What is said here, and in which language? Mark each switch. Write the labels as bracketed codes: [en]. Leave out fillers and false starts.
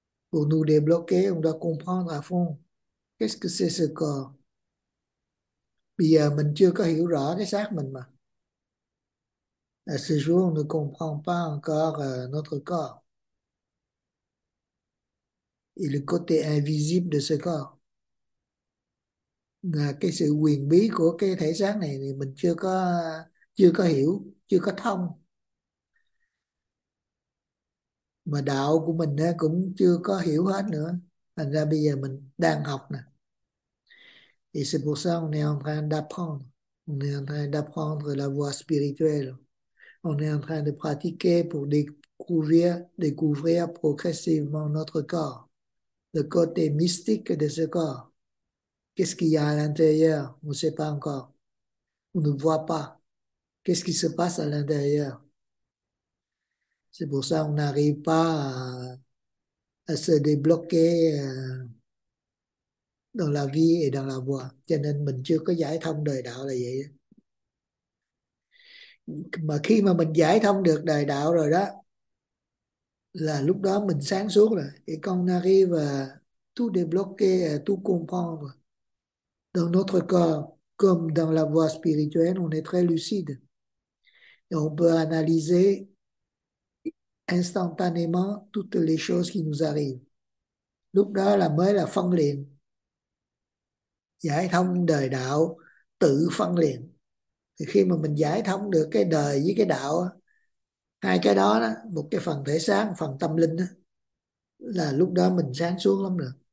[fr] Pour nous débloquer, on doit comprendre à fond qu'est-ce que c'est ce corps. [vi] Bây giờ mình chưa có hiểu rõ cái xác mình mà. [fr] À ce jour, on ne comprend pas encore notre corps et le côté invisible de ce corps. [vi] Là cái sự huyền bí của cái thể xác này thì mình chưa có hiểu, chưa có thông. Mà đạo của mình cũng chưa có hiểu hết nữa. Thành ra bây giờ mình đang học nè. [fr] Et c'est pour ça qu'on est en train d'apprendre. On est en train d'apprendre la voie spirituelle. On est en train de pratiquer pour découvrir progressivement notre corps, le côté mystique de ce corps. Qu'est-ce qu'il y a à l'intérieur? On ne sait pas encore. On ne voit pas. Qu'est-ce qui se passe à l'intérieur? C'est pour ça qu'on n'arrive pas à se débloquer dans la vie et dans la voie. [vi] Cho nên mình chưa có giải thông đời đạo là vậy. Mà khi mà mình giải thông được đời đạo rồi đó là lúc đó mình sáng suốt rồi. [fr] Et quand on arrive à tout débloquer, à tout comprendre dans notre corps comme dans la voie spirituelle, on est très lucide. Et on peut analyser instantanément toutes les choses qui nous arrivent. [vi] Lúc đó là mới là phân liền. Giải thông đời đạo, tự phân liền. Thì khi mà mình giải thông được cái đời với cái đạo, hai cái đó đó, một cái phần thể xác, phần tâm linh đó, là lúc đó mình sáng suốt lắm rồi.